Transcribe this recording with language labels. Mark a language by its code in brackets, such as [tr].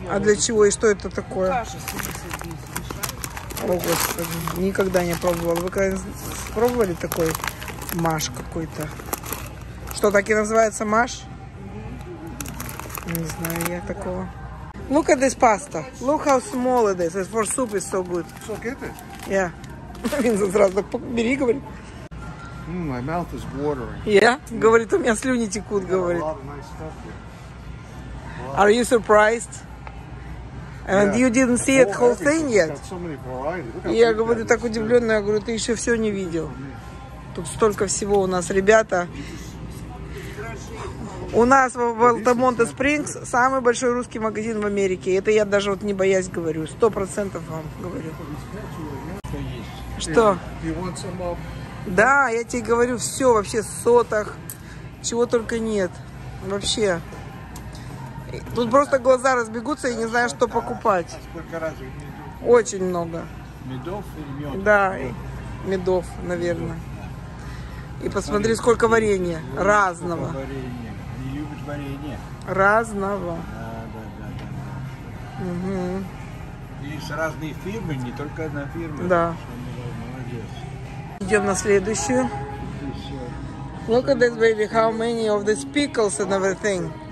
[ru] А для чего? И что это такое? О, Господи, никогда не пробовала. Вы когда-нибудь пробовали такой маш какой-то? Что, так и называется маш? Не знаю я такого. [en] Look at this pasta. Look how small it is. It's for soup is so good. So get it? Yeah. [ru] Винсент сразу так бери, говорит. [en] My mouth is watering. Yeah? [ru] Говорит, у меня слюни текут, говорит. [en] Are you surprised? And you didn't see it whole thing yet. [ru] Я говорю, так удивленно, я говорю, ты еще все не видел. Тут столько всего у нас, ребята. У нас в Алтамонте Спрингс самый большой русский магазин в Америке. Это я даже вот не боясь говорю, 100% вам говорю. Что? Да, я тебе говорю, все вообще в сотах, чего только нет, вообще. Тут просто глаза разбегутся, я не знаю, что покупать. А сколько раз их медов? Очень много. Медов или мед? Да, медов, наверное. И посмотри, сколько варенья. Разного. Сколько варенья. Не любишь варенье? Разного. Да. Угу. И с разной фирмы, не только одна фирма. Да. Молодец. Идем на следующую. [en] Look at this, baby, how many of these pickles and everything.